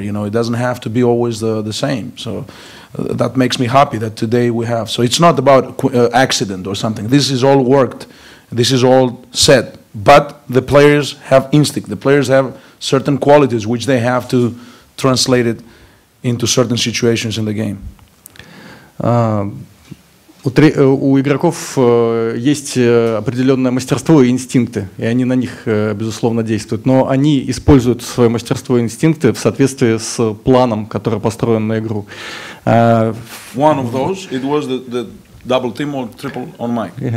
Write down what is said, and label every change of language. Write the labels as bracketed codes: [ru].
[en] You know, it doesn't have to be always the same. So that makes me happy that today we have. So it's not about accident or something. This is all worked. This is all set, but the players have instinct. The players have certain qualities which they have to translate it into certain situations in the game. [ru] У игроков есть определенное мастерство и инстинкты, и они на них, безусловно, действуют. Но они используют свое мастерство и инстинкты в соответствии с планом, который построен на игру. [en] One of those, it was the double team or triple on Mike.